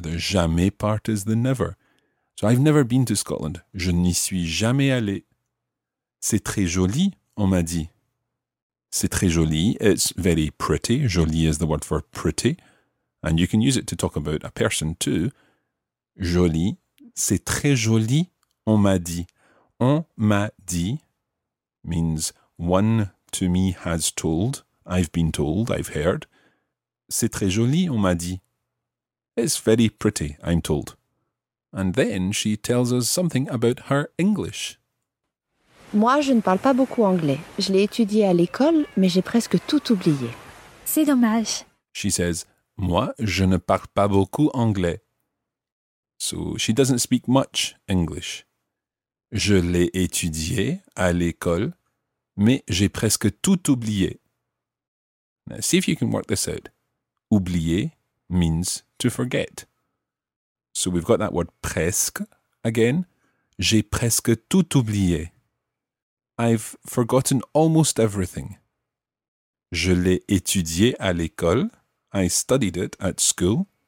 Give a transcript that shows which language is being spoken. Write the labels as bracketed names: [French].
[English] The jamais part is the never. So, I've never been to Scotland. [French] Je n'y suis jamais allé. C'est très joli, on m'a dit. C'est très joli. [English] It's very pretty. Joli is the word for pretty. And you can use it to talk about a person too. [French] Joli. C'est très joli, on m'a dit. On m'a dit [English] means one to me has told, I've been told, I've heard. [French] C'est très joli, on m'a dit. [English] It's very pretty, I'm told. And then she tells us something about her English. [French] Moi, je ne parle pas beaucoup anglais. Je l'ai étudié à l'école, mais j'ai presque tout oublié. C'est dommage. [English] She says, [French] moi, je ne parle pas beaucoup anglais. [English] So she doesn't speak much English. [French] Je l'ai étudié à l'école, mais j'ai presque tout oublié. [English] Now see if you can work this out. Oublier means to forget. So we've got that word presque again. [French] J'ai presque tout oublié. [English] I've forgotten almost everything. [French] Je l'ai étudié à l'école. [English] I studied it at school.